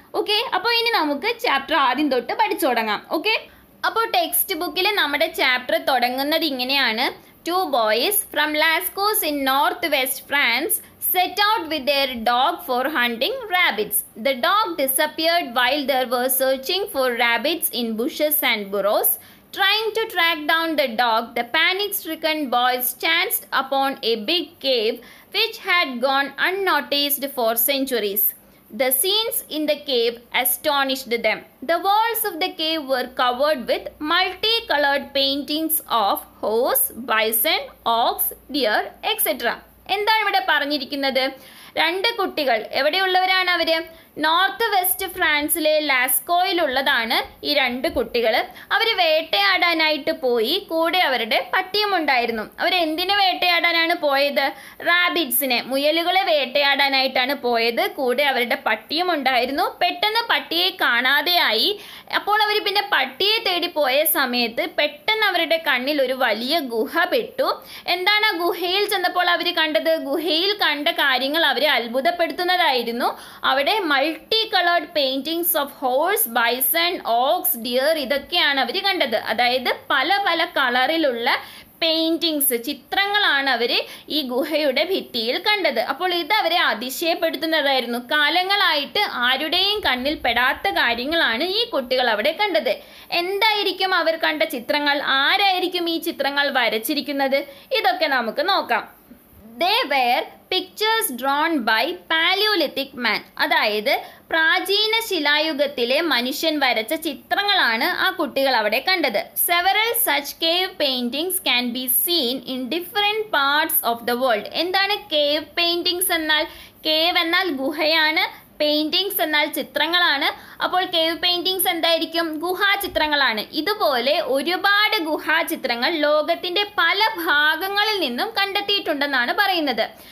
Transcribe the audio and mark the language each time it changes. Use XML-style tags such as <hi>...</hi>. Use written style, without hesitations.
<ml>Okay, അപ്പോൾ ഇനി നമുക്ക് ചാപ്റ്റർ ആദ്യം തൊട്ട് പഠിച്ചു തുടങ്ങാം. ഓക്കെ, അപ്പോൾ ടെക്സ്റ്റ് ബുക്കിൽ നമ്മുടെ ചാപ്റ്റർ തുടങ്ങുന്നത് ഇങ്ങനെയാണ്.</ml> <en>Two boys from Lascaux in north west France set out with their dog for hunting rabbits. The dog disappeared while there were searching for rabbits in bushes and burrows. Trying to track down the dog, the panic-stricken boys chanced upon a big cave which had gone unnoticed for centuries. The scenes in the cave astonished them. The walls of the cave were covered with multicolored paintings of horse, bison, ox, deer, etc.</en> <ml>എന്താണ് ഇവിടെ പറഞ്ഞിരിക്കുന്നത്? രണ്ട് കുട്ടികൾ എവിടെയുള്ളവരാണ്? അവര് north west ഫ്രാൻസിലെ ലാസ്കോയിലുള്ളതാണ് ഈ രണ്ട് കുട്ടികൾ. അവർ വേട്ടയാടാനായിട്ട് പോയി, കൂടെ അവരുടെ പട്ടിയും ഉണ്ടായിരുന്നു. അവരെന്തിനെ വേട്ടയാടാനാണ് പോയത്? റാബിറ്റ്സിനെ, മുയലുകളെ വേട്ടയാടാനായിട്ടാണ് പോയത്. കൂടെ അവരുടെ പട്ടിയും ഉണ്ടായിരുന്നു. പെട്ടെന്ന് പട്ടിയെ കാണാതെയായി. അപ്പോൾ അവർ പിന്നെ പട്ടിയെ തേടി പോയ സമയത്ത് പെട്ടെന്ന് അവരുടെ കണ്ണിൽ ഒരു വലിയ ഗുഹ പെട്ടു. എന്താണ് ആ ഗുഹയിൽ ചെന്നപ്പോൾ അവർ കണ്ടത്? ഗുഹയിൽ കണ്ട കാര്യങ്ങൾ അവരെ അത്ഭുതപ്പെടുത്തുന്നതായിരുന്നു. അവിടെ</ml> <en>multi coloured paintings of horse, bison, ox, deer,</en> <ml>ഇതൊക്കെയാണ് അവർ കണ്ടത്. അതായത് പല പല കളറിലുള്ള പെയിൻറ്റിങ്സ്, ചിത്രങ്ങളാണ് അവർ ഈ ഗുഹയുടെ ഭിത്തിയിൽ കണ്ടത്. അപ്പോൾ ഇത് അവരെ അതിശയപ്പെടുത്തുന്നതായിരുന്നു. കാലങ്ങളായിട്ട് ആരുടെയും കണ്ണിൽ പെടാത്ത കാര്യങ്ങളാണ് ഈ കുട്ടികൾ അവിടെ കണ്ടത്. എന്തായിരിക്കും അവർ കണ്ട ചിത്രങ്ങൾ? ആരായിരിക്കും ഈ ചിത്രങ്ങൾ വരച്ചിരിക്കുന്നത്? ഇതൊക്കെ നമുക്ക് നോക്കാം.</ml> <en>They were pictures drawn by Paleolithic man.</en> <ml>അതായത് പ്രാചീന ശിലായുഗത്തിലെ മനുഷ്യൻ വരച്ച ചിത്രങ്ങളാണ് ആ കുട്ടികൾ അവിടെ കണ്ടത്.</ml> <en>Several such cave paintings can be seen in different parts of the world.</en> <ml>എന്താണ് cave paintings എന്നാൽ? കേവ് എന്നാൽ ഗുഹയാണ്, പെയിൻറ്റിങ്സ് എന്നാൽ ചിത്രങ്ങളാണ്. അപ്പോൾ കേവ് പെയിൻറ്റിങ്സ് എന്തായിരിക്കും? ഗുഹാചിത്രങ്ങളാണ്. ഇതുപോലെ ഒരുപാട് ഗുഹാചിത്രങ്ങൾ ലോകത്തിൻ്റെ പല ഭാഗങ്ങളിൽ നിന്നും കണ്ടെത്തിയിട്ടുണ്ടെന്നാണ് പറയുന്നത്.</ml>